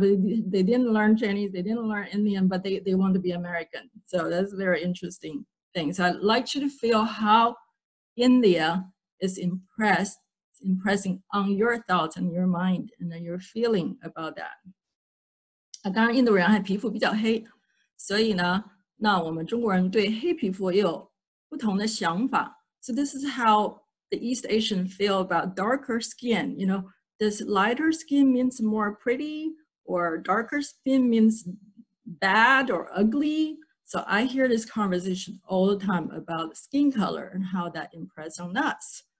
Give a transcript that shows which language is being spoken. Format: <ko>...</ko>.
<en>They didn't learn Chinese. They didn't learn Indian, but they want to be American. So that's very interesting. Things. I'd like you to feel how India is impressing on your thoughts and your mind and your feeling about that.</en> <zh>当然印度人还皮肤比较黑，所以呢，那我们中国人对黑皮肤也有不同的想法。</zh> <en>So this is how the East Asian feel about darker skin. You know, does lighter skin means more pretty or darker skin means bad or ugly? So I hear this conversation all the time about skin color and how that impresses on us.</en>